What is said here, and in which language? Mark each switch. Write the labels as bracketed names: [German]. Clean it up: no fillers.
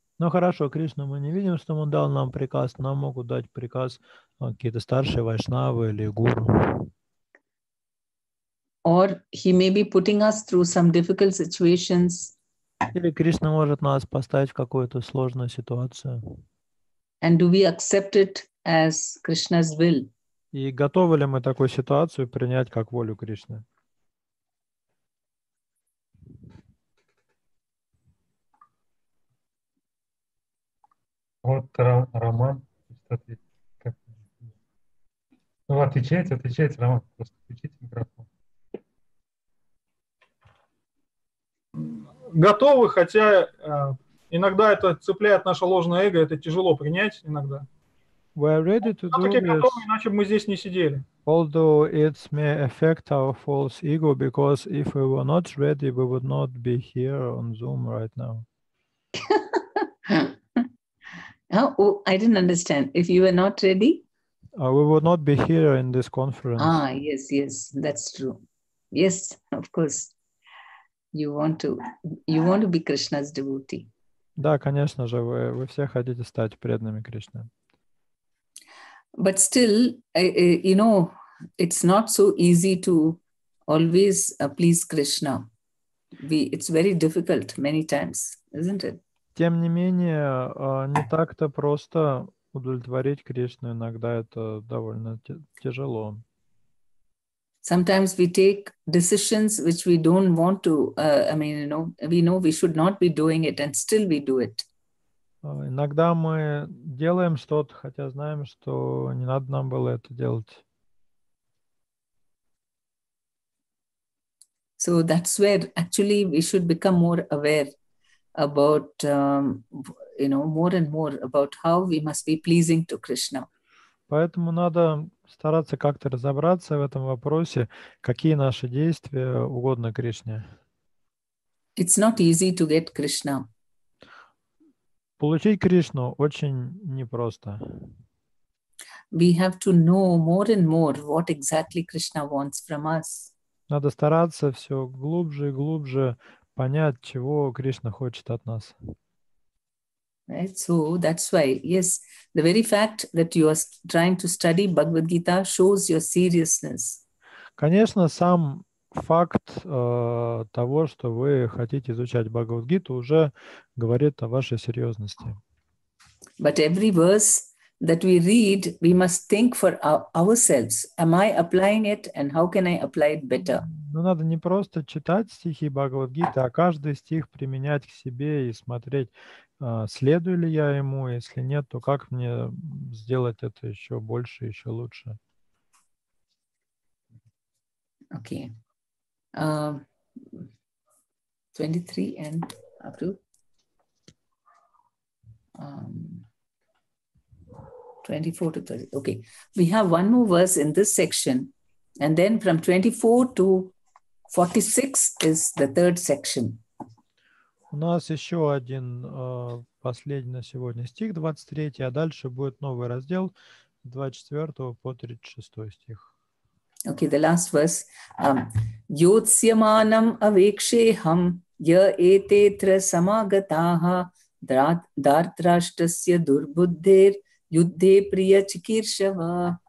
[Russian] Ну хорошо, Кришну мы не видим, что он дал нам приказ. Нам могут дать приказ какие-то старшие Вайшнавы или Гуру. [English] Or he may be putting us through some difficult situations. [Russian] Или Кришна может нас поставить в какую-то сложную ситуацию. [English] And do we accept it as Krishna's will? [Russian] И готовы ли мы такую ситуацию принять как волю Кришны? Вот Роман. Ну, отвечайте, Роман, просто включите микрофон. Готовы, хотя иногда это цепляет наше ложное эго, это тяжело принять иногда. [English] We are ready to do this. [Russian] Иначе бы мы здесь не сидели. [English] Although it may affect our false ego, because if we were not ready, we would not be here on Zoom right now. I didn't understand. If you were not ready? We would not be here in this conference. Ah, yes, yes, that's true. Yes, of course. You want to be Krishna's devotee. [Russian] Да, конечно же, вы все хотите стать преданными Кришне. [English] But still, you know, it's not so easy to always please Krishna. It's very difficult many times, isn't it? [Russian] Тем не менее, не так-то просто удовлетворить Кришну. Иногда это довольно тяжело. [English] Sometimes we take decisions which we don't want to. We know we should not be doing it, and still we do it. [Russian] Иногда мы делаем что-то, хотя знаем, что не надо нам было это делать. [English] So that's where actually we should become more aware about, more and more about how we must be pleasing to Krishna. [Russian] Поэтому надо стараться как-то разобраться в этом вопросе, какие наши действия угодно Кришне. [English] It's not easy to get Krishna. [Russian] Получить Кришну очень непросто. [English] We have to know more and more what exactly Krishna wants from us. [Russian] Надо стараться все глубже и глубже понять, чего Кришна хочет от нас. [English] Right, so that's why, yes, the very fact that you are trying to study Bhagavad Gita shows your seriousness. [Russian] Конечно, сам факт того, что вы хотите изучать Бхагавад Гиту, уже говорит о вашей серьезности. [English] But every verse that we read, we must think for ourselves. Am I applying it and how can I apply it better? [Russian] Но надо не просто читать стихи Бхагавад Гиты, а каждый стих применять к себе и смотреть, следую ли я ему, если нет, то как мне сделать это еще больше, еще лучше? [English] Okay. 23 and up to 24 to 30. Okay. We have one more verse in this section. And then from 24 to 46 is the third section. [Russian] У нас еще один последний на сегодня стих, 23, а дальше будет новый раздел, 24 по 36 стих. [English] Okay, the last verse. [Sanskrit] Yotsyamanam avekshaham ya etetra samagataha dartrashtasya durbuddher yuddhe priya chikirshava.